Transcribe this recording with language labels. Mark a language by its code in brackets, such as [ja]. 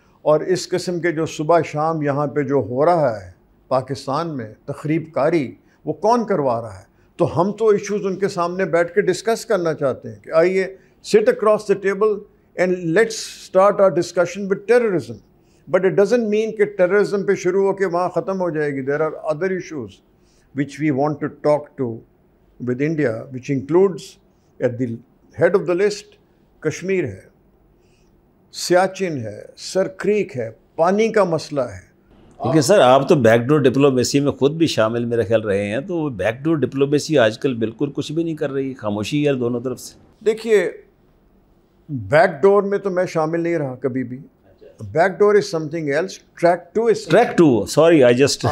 [ur] اور اس قسم کے جو صبح شام یہاں پہ جو ہو رہا ہے پاکستان میں تخریب کاری, وہ کون کروا رہا ہے؟ تو ہم تو ایشوز ان کے سامنے بیٹھ کے ڈسکس کرنا چاہتے ہیں کہ آئیے [en] sit across the table and let's start our discussion with terrorism. But it doesn't mean [ur] کہ terrorism پہ شروع ہو کے وہاں ختم ہو جائے گی. [en] There are other issues which we want to talk to with India, which includes at the head of the list [ur] Kashmir ہے, سیاچن ہے, سر کریک ہے, پانی کا مسئلہ ہے. کیونکہ سر آپ تو بیک ڈور ڈپلومیسی میں خود بھی شامل میرا خیال رہے ہیں, تو وہ بیک ڈور ڈپلومیسی آج کل بالکل کچھ بھی نہیں کر رہی, خاموشی ہے دونوں طرف سے. دیکھیے بیک ڈور میں تو میں شامل نہیں رہا کبھی بھی. [en] back door is something else, track two is track two, sorry I just